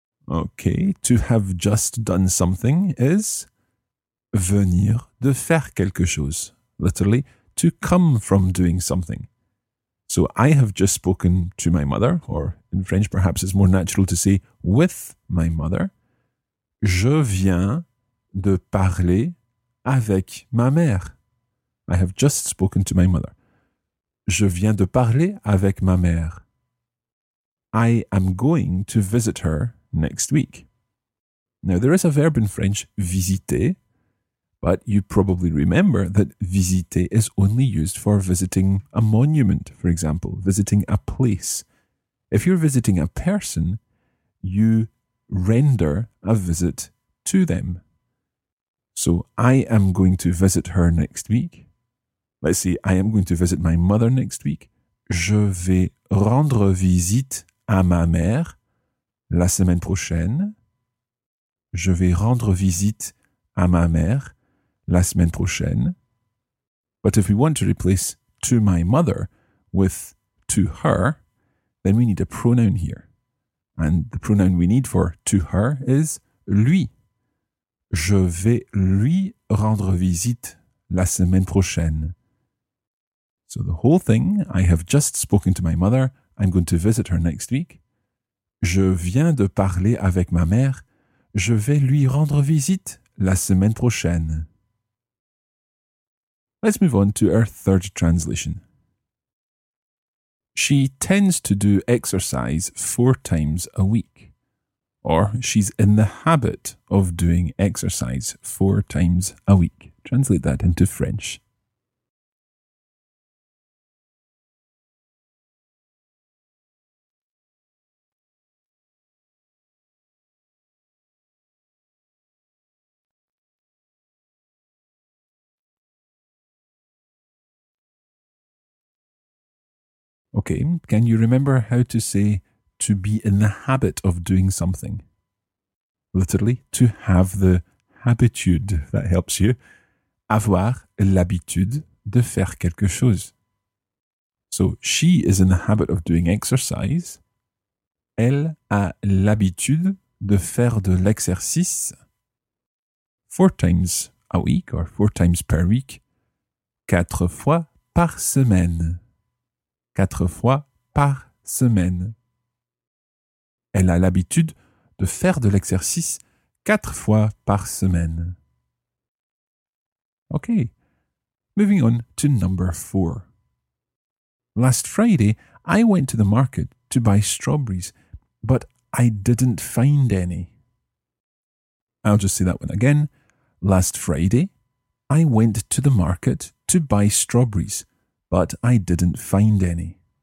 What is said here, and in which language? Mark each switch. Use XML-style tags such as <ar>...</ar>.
<en>Okay, to have just done something is</en> <fr>venir de faire quelque chose.</fr> <en>Literally, to come from doing something. So I have just spoken to my mother, or in French perhaps it's more natural to say with my mother.</en> <fr>Je viens de parler avec ma mère.</fr> <en>I have just spoken to my mother.</en> <fr>Je viens de parler avec ma mère.</fr> <en>I am going to visit her next week. Now, there is a verb in French, visiter, but you probably remember that visiter is only used for visiting a monument, for example, visiting a place. If you're visiting a person, you render a visit to them. So, I am going to visit her next week. Let's see, I am going to visit my mother next week.</en> <fr>Je vais rendre visite à ma mère la semaine prochaine. Je vais rendre visite à ma mère la semaine prochaine.</fr> <en>But if we want to replace to my mother with to her, then we need a pronoun here. And the pronoun we need for to her is lui.</en> <fr>Je vais lui rendre visite la semaine prochaine.</fr> <en>So the whole thing, I have just spoken to my mother, I'm going to visit her next week.</en> <fr>Je viens de parler avec ma mère, je vais lui rendre visite la semaine prochaine.</fr> <en>Let's move on to our third translation. She tends to do exercise 4 times a week. Or she's in the habit of doing exercise 4 times a week. Translate that into French. Okay, can you remember how to say to be in the habit of doing something? Literally, to have the habitude, that helps you.</en> <fr>Avoir l'habitude de faire quelque chose.</fr> <en>So, she is in the habit of doing exercise.</en> <fr>Elle a l'habitude de faire de l'exercice</fr> <en>4 times a week or 4 times per week.</en> <fr>4 fois par semaine. 4 fois par semaine. Elle a l'habitude de faire de l'exercice 4 fois par semaine.</fr> <en>Okay, moving on to number 4. Last Friday, I went to the market to buy strawberries, but I didn't find any. I'll just say that one again. Last Friday, I went to the market to buy strawberries, but I didn't find any.</en>